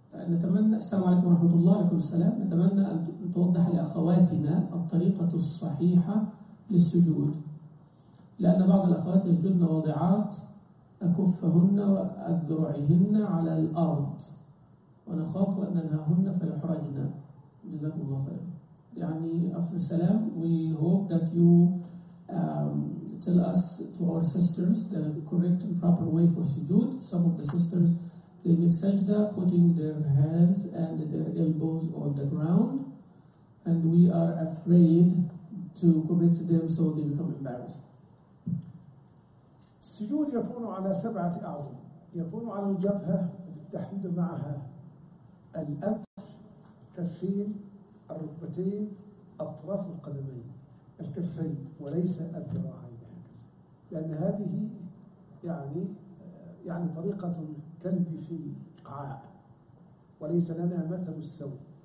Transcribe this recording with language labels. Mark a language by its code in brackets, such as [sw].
[ar] نتمنى السلام عليكم ورحمة الله عليكم السلام. نتمنى أن توضح لأخواتنا الطريقة الصحيحة للسجود، لأن بعض الأخوات يسجدن واضعات أكفهن وأذرعهن على الأرض ونخاف أن ننهاهن فيحرجنا. جزاك الله خير. [en] يعني after salam, we hope that you tell us to our sisters the correct and proper way for sujood. Some of the sisters, they make sajda, putting their hands and their elbows on the ground, and we are afraid to correct them, so they become embarrassed. [ar] السجود يكون على سبعة أعظم. يكون على الجبهة بالتحديد معها الأنف، كفين، الركبتين، أطراف القدمين، الكفين، وليس الذراعين، لأن هذه يعني طريقة الكلب في القعاء، وليس لنا مثل السوء.